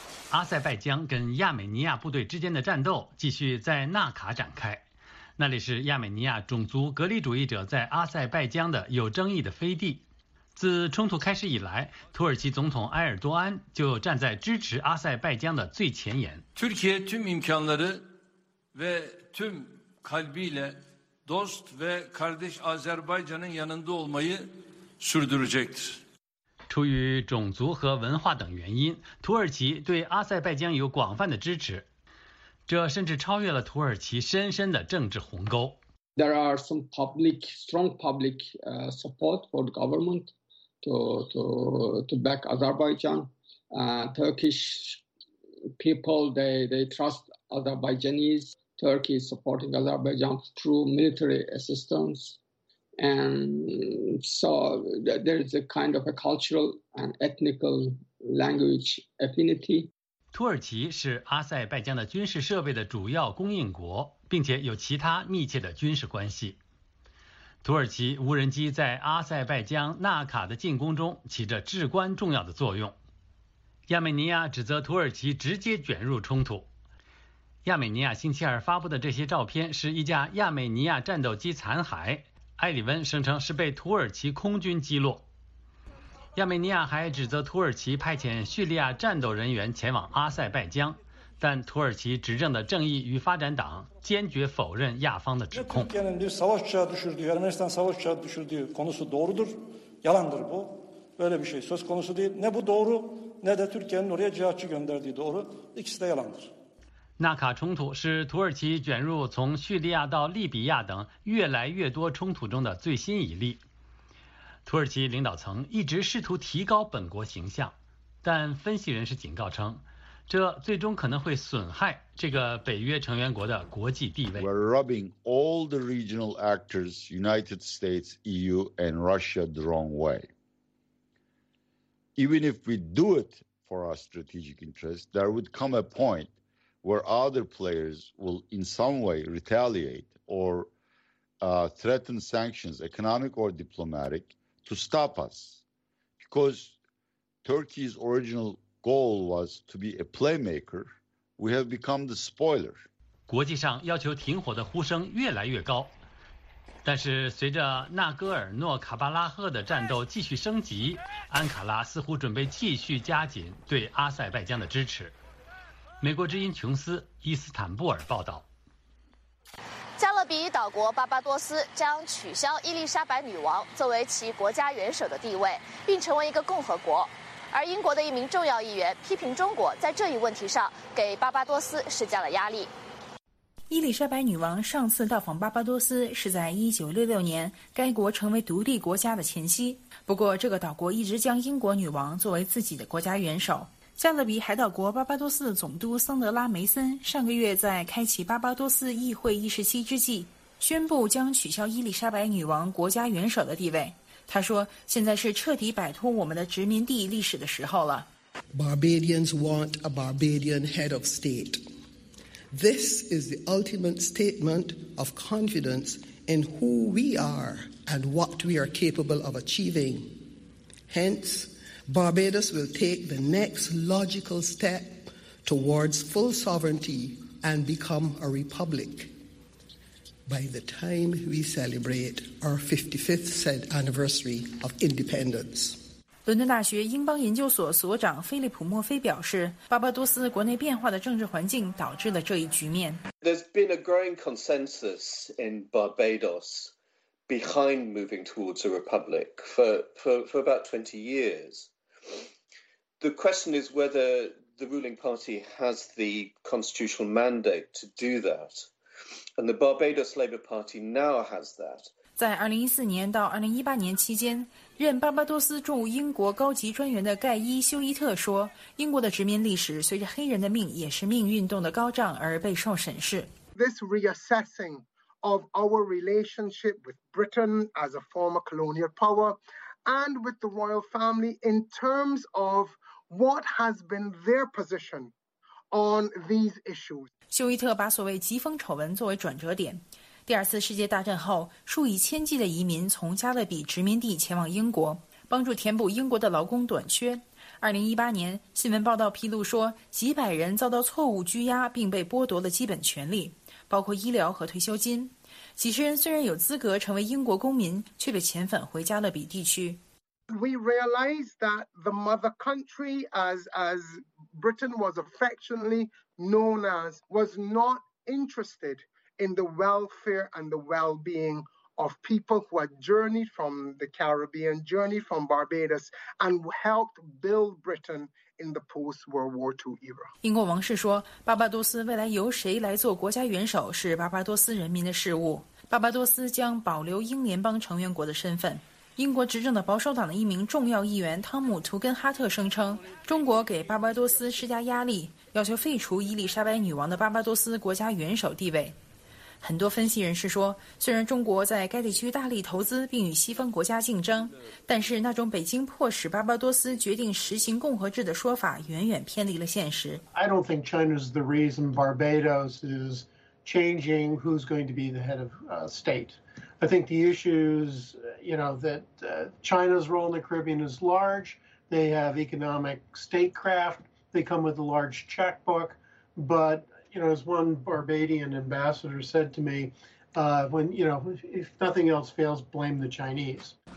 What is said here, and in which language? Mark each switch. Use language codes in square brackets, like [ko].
[zh] 阿塞拜疆跟亚美尼亚部队之间的战斗继续在纳卡展开，那里是亚美尼亚种族隔离主义者在阿塞拜疆的有争议的飞地。自冲突开始以来，土耳其总统埃尔多安就站在支持阿塞拜疆的最前沿。 [tr] Türkiye tüm imkanları ve tüm kalbiyle dost ve kardeş Azerbaycan'ın yanında olmayı sürdürecektir。 [zh] 出于种族和文化等原因，土耳其对阿塞拜疆有广泛的支持，这甚至超越了土耳其深深的政治鸿沟。 [en] There are some public, strong public support for the government to back Azerbaijan. Turkish people they trust Azerbaijanese. Turkey is supporting Azerbaijan through military assistance. And so there is a kind of a cultural and ethnical language affinity. [zh] 土耳其是阿塞拜疆的军事设备的主要供应国，并且有其他密切的军事关系。土耳其无人机在阿塞拜疆纳卡的进攻中起着至关重要的作用。亚美尼亚指责土耳其直接卷入冲突。亚美尼亚星期二发布的这些照片是一架亚美尼亚战斗机残骸。埃里温声称是被土耳其空军击落。亚美尼亚还指责土耳其派遣叙利亚战斗人员前往阿塞拜疆，但土耳其执政的正义与发展党坚决否认亚方的指控。 [tr] Türkiye'nin bir savaş uçağı düşürdüğü, Ermenistan savaş uçağı düşürdüğü konusu doğrudur, yalandır bu. Böyle bir şey söz konusu değil. Ne bu doğru, ne de Türkiye'nin oraya cihatçı gönderdiği doğru. İkisi de yalandır. [zh] 纳卡冲突是土耳其卷入从叙利亚到利比亚等越来越多冲突中的最新一例。土耳其领导层一直试图提高本国形象，但分析人士警告称，这最终可能会损害这个北约成员国的国际地位。 [en] We're rubbing all the regional actors, United States, EU, and Russia the wrong way. Even if we do it for our strategic interest, there would come a point. Where other players will in some way retaliate or threaten sanctions, economic or diplomatic, to stop us. Because Turkey's original goal was to be a playmaker, we have become the spoiler. [zh] 国际上要求停火的呼声越来越高，但是随着纳戈尔诺卡巴拉赫的战斗继续升级，安卡拉似乎准备继续加紧对阿塞拜疆的支持。美国之音琼斯伊斯坦布尔报道。加勒比岛国巴巴多斯将取消伊丽莎白女王作为其国家元首的地位，并成为一个共和国。而英国的一名重要议员批评中国在这一问题上给巴巴多斯施加了压力。伊丽莎白女王上次到访巴巴多斯是在1966年该国成为独立国家的前夕，不过这个岛国一直将英国女王作为自己的国家元首。加勒比海岛国巴巴多斯的总督桑德拉·梅森上个月在开启巴巴多斯议会议事期之际宣布将取消伊丽莎白女王国家元首的地位。他说，现在是彻底摆脱我们的殖民地历史的时候了。 [en] Barbadians want a Barbadian head of state. This is the ultimate statement of confidence in who we are and what we are capable of achieving. HenceBarbados will take the next logical step towards full sovereignty and become a republic. By the time we celebrate our 55th anniversary of independence. [zh] 伦敦大学英邦研究所所长菲利普·墨菲表示，巴巴多斯国内变化的政治环境导致了这一局面。 [en] There's been a growing consensus in Barbados. Behind moving towards a republic for about 20 years. The question is whether the ruling party has the constitutional mandate to do that. And the Barbados Labour Party now has that. [zh] 在2014年到2018年期间，任巴巴多斯驻英国高级专员的盖伊·休伊特说，英国的殖民历史随着黑人的命也是命运动的高涨而备受审视。 [en] This reassessingOf our relationship with Britain as a former colonial power and with the royal family in terms of what has been their position on these issues. [zh] 休伊特把所谓疾风丑闻作为转折点，第二次世界大战后，数以千计的移民从加勒比殖民地前往英国，帮助填补英国的劳工短缺。 2018年，新闻报道披露说，几百人遭到错误拘押，并被剥夺了基本权利，包括医疗和退休金。几十人虽然有资格成为英国公民，却被遣返回加勒比地区。 [en] We realize that the mother country, as Britain was affectionately known as, was not interested in the welfare and the well-being of people who had journeyed from the Caribbean, journeyed from Barbados, and helped build Britain in the post-World War II era. [zh] 英国王室说，巴巴多斯未来由谁来做国家元首是巴巴多斯人民的事务。巴巴多斯将保留英联邦成员国的身份。英国执政的保守党的一名重要议员汤姆·图根哈特声称，中国给巴巴多斯施加压力，要求废除伊丽莎白女王的巴巴多斯国家元首地位。很多分析人士说，虽然中国在该地区大力投资并与西方国家竞争，但是那种北京迫使巴巴多斯决定实行共和制的说法远远偏离了现实。 [en] I don't think China's the reason Barbados is changing who's going to be the head of state. I think the issues, you know, that China's role in the Caribbean is large. They have economic statecraft. They come with a large checkbook, but you know, as one Barbadian ambassador said to me, when, you know, if nothing else fails, blame the Chinese.